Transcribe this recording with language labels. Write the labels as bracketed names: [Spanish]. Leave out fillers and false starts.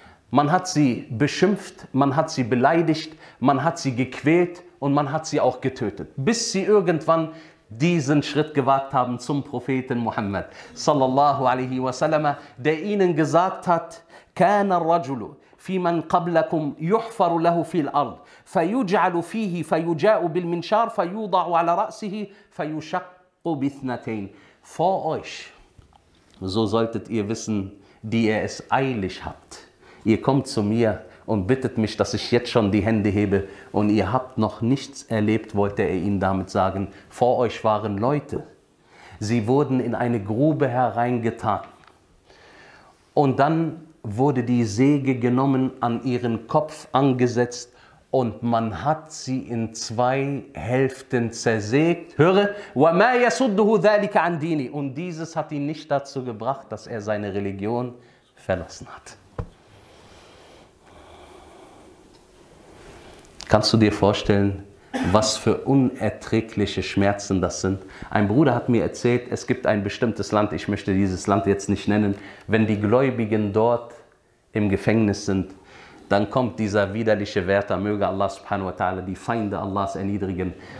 [German] Man hat sie beschimpft, man hat sie beleidigt, man hat sie gequält und man hat sie auch getötet, bis sie irgendwann diesen Schritt gewagt haben zum Propheten Muhammad sallallahu alaihi wasallam, der ihnen gesagt hat: [Arabic] "Kana ar-rajulu fi man qablakum yuhfaru lahu fil ard." فيجعل فيه فيجاء بالمنشار فيوضع على رأسه فيشق باثنتين. [German] Vor euch, so solltet ihr wissen, die ihr es eilig habt. Ihr kommt zu mir und bittet mich, dass ich jetzt schon die Hände hebe und ihr habt noch nichts erlebt, wollte er ihnen damit sagen. Vor euch waren Leute. Sie wurden in eine Grube hereingetan. Und dann wurde die Säge genommen, an ihren Kopf angesetzt. Und man hat sie in zwei Hälften zersägt. Höre, [Arabic] وَمَا يَسُدُّهُ ذَلِكَ عَنْ دِينِ. [German] Und dieses hat ihn nicht dazu gebracht, dass er seine Religion verlassen hat. Kannst du dir vorstellen, was für unerträgliche Schmerzen das sind? Ein Bruder hat mir erzählt, es gibt ein bestimmtes Land, ich möchte dieses Land jetzt nicht nennen, wenn die Gläubigen dort im Gefängnis sind, dann kommt dieser widerliche Wärter, möge Allah subhanahu wa ta'ala die Feinde Allahs erniedrigen.